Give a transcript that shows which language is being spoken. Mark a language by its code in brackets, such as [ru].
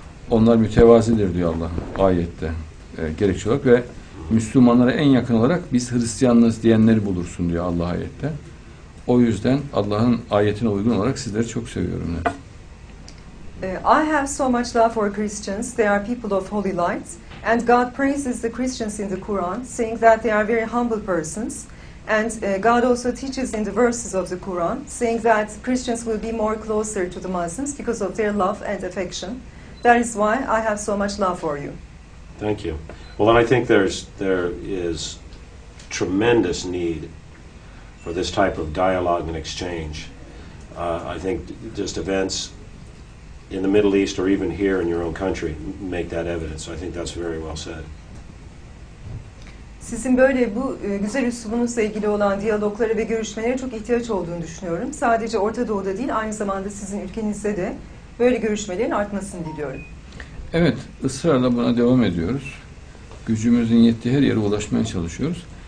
[tr] Onlar mütevazidir diyor Allah ayette gerekçe olarak ve Müslümanlara en yakın olarak biz Hristiyanlarız diyenleri bulursun diyor Allah ayette. O yüzden Allah'ın ayetine uygun olarak sizleri çok seviyorum. [en] I have so much love for Christians. They are people of holy light. And God praises the Christians in the Quran, saying that they are very humble persons. And God also teaches in the verses of the Quran, saying that Christians will be more closer to the Muslims because of their love and affection. That is why I have so much love for you. Thank you. Well, and I think there is tremendous need for this type of dialogue and exchange. I think just events in the Middle East or even here in your own country make that evident. So I think that's very well said. [tr] Sizin böyle bu güzel üslubunuzla ilgili olan diyaloglara ve görüşmelere çok ihtiyaç olduğunu düşünüyorum. Sadece Orta Doğu'da değil, aynı zamanda sizin ülkenizde de böyle görüşmelerin artmasını diliyorum. Evet, ısrarla buna devam ediyoruz. Gücümüzün yettiği her yere ulaşmaya çalışıyoruz.